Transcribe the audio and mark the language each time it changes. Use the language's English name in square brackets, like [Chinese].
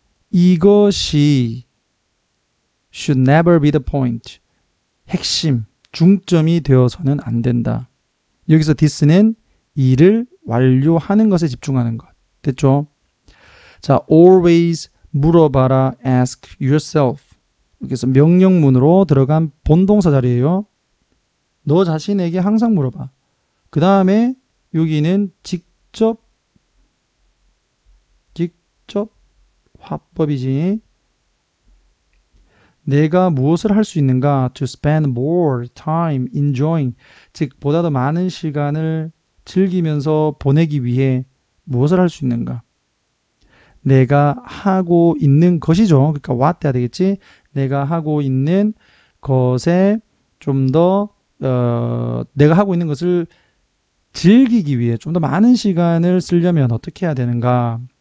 [Korean] 이것이 [English] should never be the point. [Korean] 핵심, 중점이 되어서는 안 된다. 여기서 this는 일을 완료하는 것에 집중하는 것. 됐죠? 자, always 물어봐라, [English] ask yourself. [Korean] 여기서 명령문으로 들어간 본동사 자리예요. 너 자신에게 항상 물어봐. 그 다음에 여기는 직접 화법이지. 내가 무엇을 할 수 있는가? [English] To spend more time enjoying. [Korean] 즉, 보다 더 많은 시간을 즐기면서 보내기 위해 무엇을 할 수 있는가? 내가 하고 있는 것이죠. 그러니까 what 해야 되겠지? 내가 하고 있는 것에 좀 더, 내가 하고 있는 것을 즐기기 위해 좀 더 많은 시간을 쓰려면 어떻게 해야 되는가?